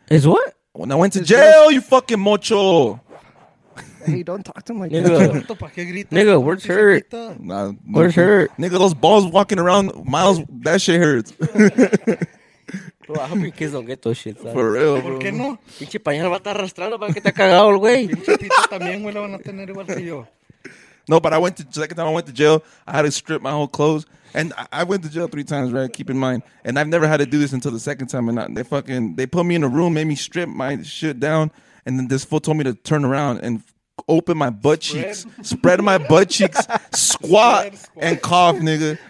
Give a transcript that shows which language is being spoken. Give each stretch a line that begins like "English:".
English: Is what? When I went to jail, you fucking mocho. Hey, don't talk to him like nigga. That. Nigga, words hurt. Nah, words hurt. Nigga, those balls walking around miles, that shit hurts. Bro, I hope your kids don't get those shit. For real, bro.
Spanish: ¿Por qué no? Pinche pañal va a estar arrastrando para que te ha cagado el güey. Pinche pito también, güey, lo van a tener igual que yo.
English: No, but I went to second time I went to jail, I had to strip my whole clothes. And I went to jail three times, right? Keep in mind. And I've never had to do this until the second time. And they put me in a room, made me strip my shit down. And then this fool told me to turn around and open my butt cheeks, spread my butt cheeks, squat, and cough, nigga.